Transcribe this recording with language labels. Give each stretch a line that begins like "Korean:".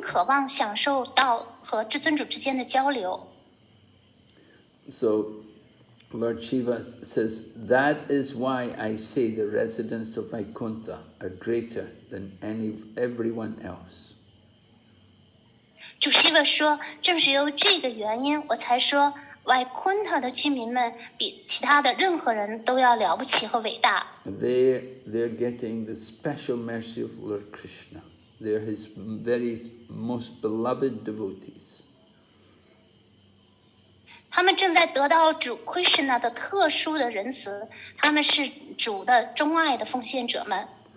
Chinese: 那么至尊主这种短暂的消失，就使得奉献者们他们更渴望、更有知觉，他们对主的思念就增强了，他们更渴望享受到和至尊主之间的交流。
English: So, Lord Shiva says, that is why I say the residents of Vaikuntha are greater than everyone else.
Chinese: 主Shiva说，正是由这个原因，我才说。瓦昆塔的居民们比其他的任何人都要了不起和伟大。
English: They're getting the special mercy of Lord Krishna. They're his very most beloved devotees.
Chinese: 他们正在得到主 Krishna 的特殊的仁慈，他们是主的钟爱的奉献者们。